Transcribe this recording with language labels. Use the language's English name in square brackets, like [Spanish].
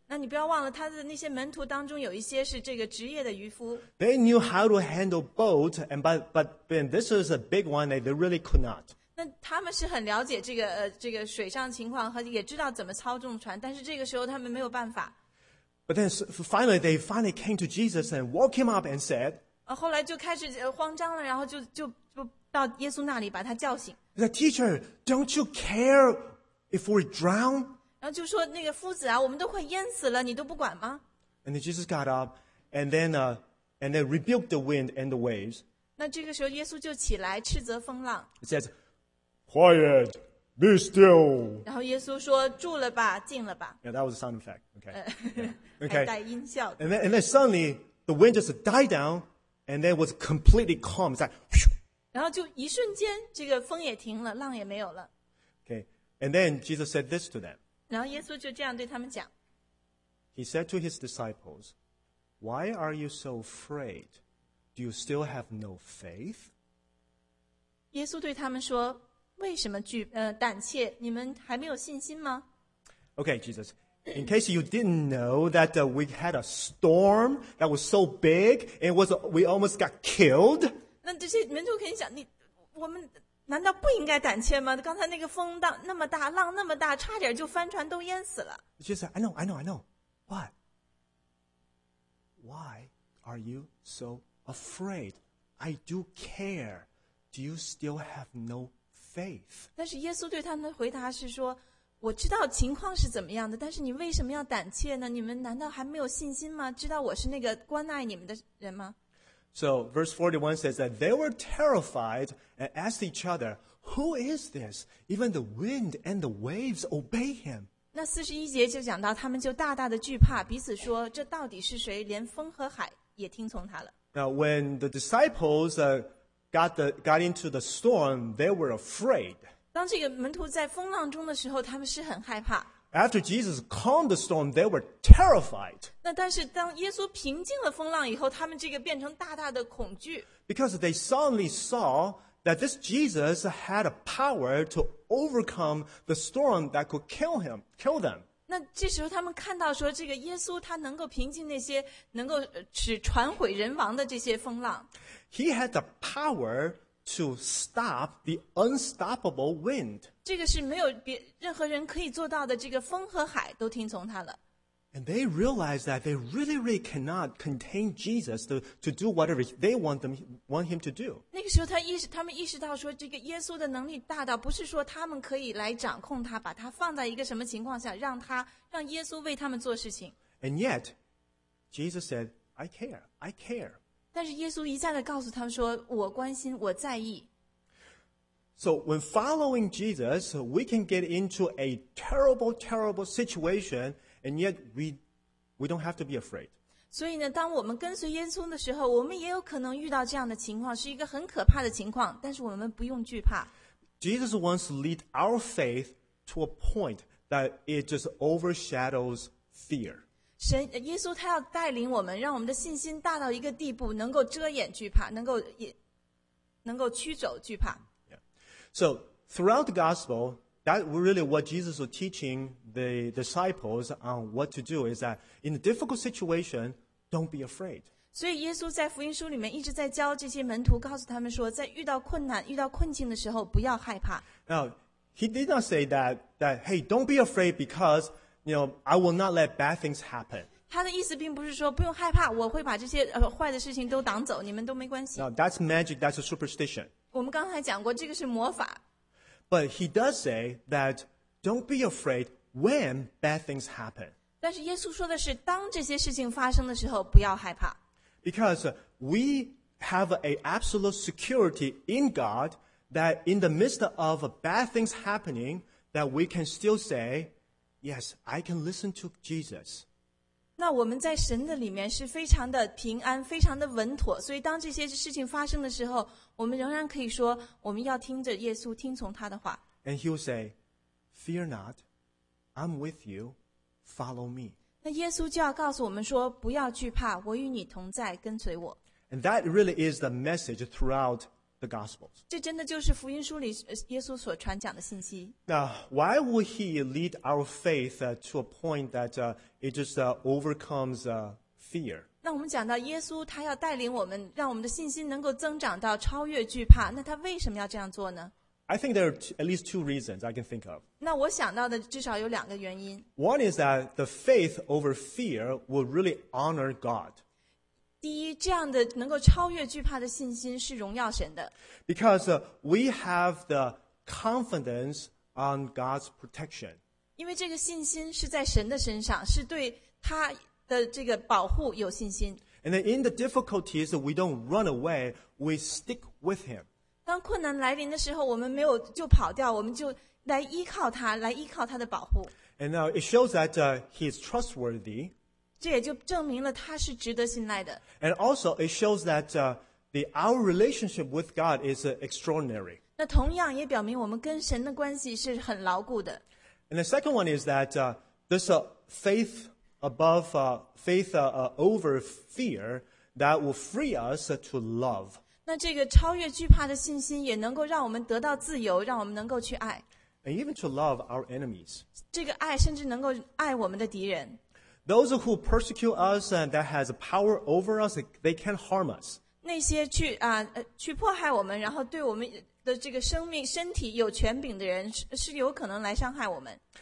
[Chinese] 那你不要忘了，他的那些门徒当中有一些是这个职业的渔夫。 [English] They knew how to handle boat, and but then this is a big one that they really could not. [Chinese] 那他们是很了解这个水上情况和也知道怎么操纵船，但是这个时候他们没有办法。 [English] But then finally they finally came to Jesus and woke him up and said. [Chinese] 后来就开始慌张了，然后就到耶稣那里把他叫醒。 [English] The teacher, don't you care if we drown? [Chinese] 然后就说那个夫子啊，我们都快淹死了，你都不管吗 [English] ？And then Jesus got up, and then rebuked the wind and the waves. [Chinese] 那这个时候耶稣就起来斥责风浪。 [English] It says. Quiet, be still. [Chinese] 然后耶稣说住了吧，静了吧。 [English] Yeah, that was a sound effect. Okay. Okay. [Chinese] 还带音效的。 [English] And then suddenly, the wind just died down, and then was completely calm. It's like, [Chinese] 然后就一瞬间，这个风也停了，浪也没有了。 [English] Okay. And then Jesus said this to them. [Chinese] 然后耶稣就这样对他们讲。 [English] He said to his disciples, Why are you so afraid? Do you still have no faith? [Chinese] 耶稣对他们说为什么胆怯？你们还没有信心吗 [English] ？Okay, Jesus. In case you didn't know that we had a storm that was so big, we almost got killed. [Chinese] 那这些门徒可以想，我们难道不应该胆怯吗？刚才那个风浪那么大，浪那么大，差点就翻船都淹死了。 [English] Jesus, I know. But why are you so afraid? I do care. Do you still have no? [Chinese] 但是耶稣对他们的回答是说我知道情况是怎么样的但是你为什么要胆怯呢你们难道还没有信心吗知道我是那个关爱你们的人吗 [English] So verse 41 says that they were terrified and asked each other, Who is this? Even the wind and the waves obey him. [Chinese] 那41节就讲到他们就大大的惧怕彼此说这到底是谁连风和海也听从他了。 [English] Now when the disciples, got into the storm, they were afraid. [Chinese] 当这个门徒在风浪中的时候，他们是很害怕。 [English] After Jesus calmed the storm, they were terrified. [Chinese] 那但是当耶稣平静了风浪以后，他们这个变成大大的恐惧。 [English] Because they suddenly saw that this Jesus had a power to overcome the storm that could kill them. [Chinese] 那这时候他们看到说，这个耶稣他能够平静那些能够使船毁人亡的这些风浪。 [English] He had the power to stop the unstoppable wind. [Chinese] 这个是没有任何人可以做到的，这个风和海都听从他了。 [English] And they realized that they really, really cannot contain Jesus to do whatever they want him to do. [Chinese] 那个时候他们意识到说这个耶稣的能力大到不是说他们可以来掌控他，把他放在一个什么情况下，让耶稣为他们做事情。 [English] And yet, Jesus said, I care, I care. [Chinese] 但是耶稣一再地告诉他们说我关心我在意。 [English] So when following Jesus, we can get into a terrible, terrible situation, and yet we don't have to be afraid. [Chinese] 所以呢，当我们跟随耶稣的时候，我们也有可能遇到这样的情况，是一个很可怕的情况，但是我们不用惧怕。 [English] Jesus wants to lead our faith to a point that it just overshadows fear. [Chinese] 神，耶稣他要带领我们，让我们的信心大到一个地步，能够遮掩惧怕，能够驱走惧怕。 [English] So throughout the gospel, that really what Jesus was teaching the disciples on what to do is that in a difficult situation, don't be afraid. [Chinese] 所以耶稣在福音书里面一直在教这些门徒，告诉他们说，在遇到困难、遇到困境的时候，不要害怕。 [English] Now, he did not say that hey, don't be afraid because, you know, I will not let bad things happen. [Chinese] 他的意思并不是说不用害怕，我会把这些坏的事情都挡走，你们都没关系。 [English] Now, that's magic, that's a superstition. [Chinese] 我们刚才讲过，这个是魔法。 [English] But he does say that don't be afraid when bad things happen. [Chinese] 但是耶稣说的是，当这些事情发生的时候，不要害怕。 [English] Because we have a absolute security in God that in the midst of bad things happening, that we can still say, yes, I can listen to Jesus. [Chinese] 那我们在神的里面是非常的平安，非常的稳妥，所以当这些事情发生的时候，我们仍然可以说，我们要听着耶稣，听从他的话。 [English] And he'll say, fear not, I'm with you, follow me. [Chinese] 那耶稣就要告诉我们说，不要惧怕，我与你同在，跟随我。 [English] And that really is the message throughout the Gospels. [Chinese] 这真的就是福音书里耶稣所传讲的信息。 [English] Now, why would he lead our faith to a point that it just overcomes fear? [Chinese] 那我们讲到耶稣他要带领我们，让我们的信心能够增长到超越惧怕，那他为什么要这样做呢？ [English] I think there are at least two reasons I can think of. [Chinese] 那我想到的至少有两个原因。 [English] One is that the faith over fear will really honor God. [Chinese] 第一，这样的能够超越惧怕的信心是荣耀神的。 [English] Because we have the confidence on God's protection. [Chinese] 因为这个信心是在神的身上，是对他的这个保护有信心。 [English] And then in the difficulties, we don't run away, we stick with him. [Chinese] 当困难来临的时候，我们没有就跑掉，我们就来依靠他，来依靠他的保护。 [English] And now it shows that he is trustworthy. [Chinese] 这也就证明了他是值得信赖的。 [English] And also it shows that our relationship with God is extraordinary. [Chinese] 那同样也表明我们跟神的关系是很牢固的。 [English] And the second one is that this faith above faith over fear that will free us to love. [Chinese] 那这个超越惧怕的信心也能够让我们得到自由，让我们能够去爱。 [English] And even to love our enemies. [Chinese] 这个爱甚至能够爱我们的敌人。 [English] Those who persecute us and that has power over us, they can't harm us. [Chinese] 那些去迫害我们，然后对我们的这个生命身体有权柄的人，是有可能来伤害我们。